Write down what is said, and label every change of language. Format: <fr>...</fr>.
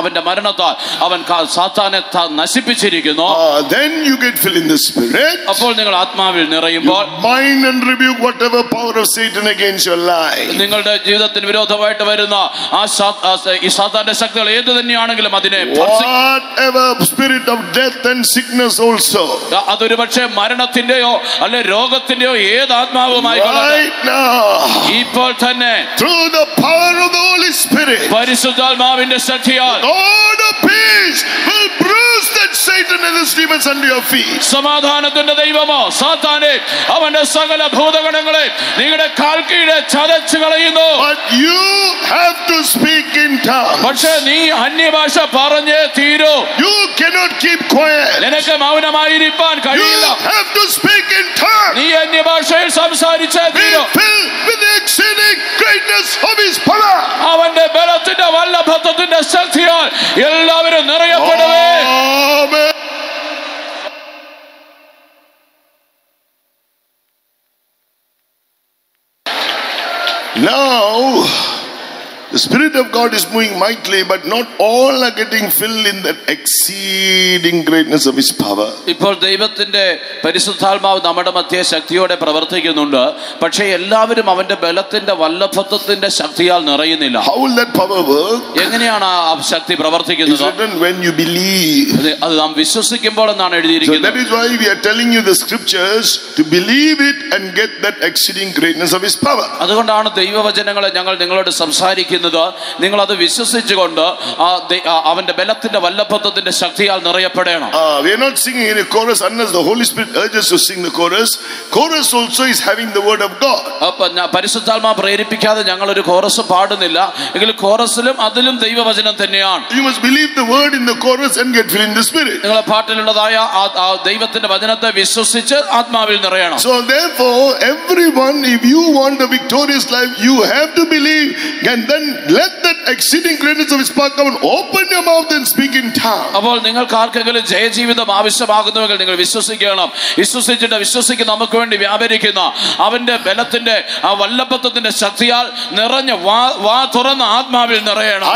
<ml>അവന്റെ മരണത്താൽ അവൻ സാത്താനെ നശിപ്പിച്ചിരിക്കുന്നു.</ml> <en>Then you get filled in the spirit.</en> <ml>അപ്പോൾ നിങ്ങൾ ആത്മാവിൽ നിറയുമ്പോൾ</ml> <en>bind and rebuke whatever power of Satan against your life.</en> <ml>നിങ്ങളുടെ ജീവിതത്തിന് വിരോധമായിട്ട് വരുന്ന ആ സാത്താൻ ശക്തികൾ ഏത് തന്നെയാണെങ്കിലും അതിനെ</ml> <en>whatever spirit of death and sickness also,</en> <ml>അതൊരു പക്ഷേ മരണത്തിന്റെയോ അല്ലെ രോഗത്തിന്റെയോ ഏത് ആത്മാവുമായിക്കോട്ടെ, ഇപ്പോൾ തന്നെ</ml> <en>through the power of the Holy Spirit,</en> <ml>പരിശുദ്ധാത്മാവിന്റെ ശക്തിയാൽ</ml> <en>God of peace will bruise that Satan and his demons under your feet.</en> <ml>സമാധാനത്തിന്റെ ദൈവമോ സാത്താനെ അവന്റെ സകല ഭൂതഗണങ്ങളെ നിങ്ങളുടെ കാൽക്കീഴെ ചതച്ചു കളയുന്നു.</ml> <en>But you have to speak in tongues.</en> <ml>പക്ഷേ നീ അന്യഭാഷ പറഞ്ഞേ തീരൂ.</ml> <en>You cannot keep quiet.</en> <ml>നിനക്ക് മൗനമായിരിക്കാൻ കഴിയില്ല.</ml> <en>You have to speak in tongues.</en> <ml>നീ അന്യഭാഷയിൽ സംസാരിച്ചേ തീരൂ.</ml> <en>Be filled with the exceeding greatness of his power.</en> <ml>അവന്റെ ബലത്തിന്റെ വല്ലഭത്വത്തിന്റെ ശക്തിയാൽ എല്ലാവരും നിറയപ്പെടുവേ.</ml> <en>Amen. Now the spirit of God is moving mightily, but not all are getting filled in that exceeding greatness of his power.</en> <ml>ഇപ്പോൾ ദൈവത്തിന്റെ പരിശുദ്ധാത്മാവ് നമ്മുടെ മധ്യേ ശക്തിയോടെ പ്രവർത്തിക്കുന്നുണ്ട്. പക്ഷേ എല്ലാവരും അവന്റെ ബലത്തിന്റെ വല്ലഭത്വത്തിന്റെ ശക്തിയാൽ നിറയുന്നില്ല.</ml> <en>How will that power work?</en> <ml>എങ്ങനെയാണ് ആ ശക്തി പ്രവർത്തിക്കുന്നത്?</ml> <en>It's written when you believe.</en> <ml>അത് നാം വിശ്വസിക്കുമ്പോൾ എന്നാണ് എഴുതിയിരിക്കുന്നത്.</ml> <en>That is why we are telling you the scriptures to believe it and get that exceeding greatness of his power.</en> <ml>അതുകൊണ്ടാണ് ദൈവവചനങ്ങളെ ഞങ്ങൾ നിങ്ങളോട് സംസാരിക്കുന്നത്. നിങ്ങൾ അത് വിശ്വസിച്ചുകൊണ്ട് അവന്റെ ബലത്തിന്റെ വല്ലഭത്വത്തിന്റെ ശക്തിയാൽ നിറയപ്പെടണം.</ml> <en>We are not singing in a chorus unless the Holy Spirit urges us to sing the chorus. Chorus also is having the word of God.</en> <ml>അപ്പോൾ പരിശുദ്ധാത്മാവ് പ്രേരിപ്പിക്കാതെ ഞങ്ങൾ ഒരു കോറസ് പാടുന്നില്ല. എങ്കിലും കോറസിലും അതിലും ദൈവവചനം തന്നെയാണ്.</ml> <en>You must believe the word in the chorus and get filled in the Spirit.</en> <ml>നിങ്ങൾ പാട്ടിലുള്ളതായ ദൈവത്തിന്റെ വചനത്തെ വിശ്വസിച്ച് ആത്മാവിൽ നിറയണം.</ml> <en>So therefore everyone, if you want a victorious life, you have to believe and then let that exceeding greatness of his power come and open your mouth and speak in tongues.</en> <ml>അപ്പോൾ നിങ്ങൾ കാർക്കെങ്കിലും ജയജീവിതം ആവശ്യമാകുന്നുവെങ്കിൽ നിങ്ങൾ വിശ്വസിക്കണം. വിശ്വസിച്ചിട്ട് വിശ്വസിക്ക് നമുക്ക് വേണ്ടി വ്യാപരിക്കുന്ന അവന്റെ ബലത്തിന്റെ ആ വല്ലഭത്വത്തിന്റെ ശക്തിയാൽ നിറഞ്ഞ വാ തുറന്ന ആത്മാവിൽ നിറയണം.</ml>